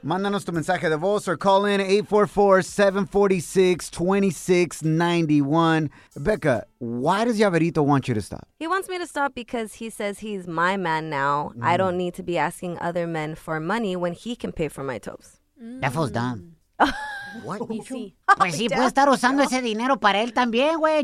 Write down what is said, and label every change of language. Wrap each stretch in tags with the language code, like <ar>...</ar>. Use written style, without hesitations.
<es>Mándanos tu mensaje de voz</es> <en>or call in</en> <es>844-746-2691.</es> <en>Becca, why does Yaverito want you to stop? He wants me to stop because he says he's my man now. Mm. I don't need to be asking other men for money when he can pay for my toes. That feels dumb. What?</en> <es>Pues sí, puede estar usando ese dinero para él también, güey.</es>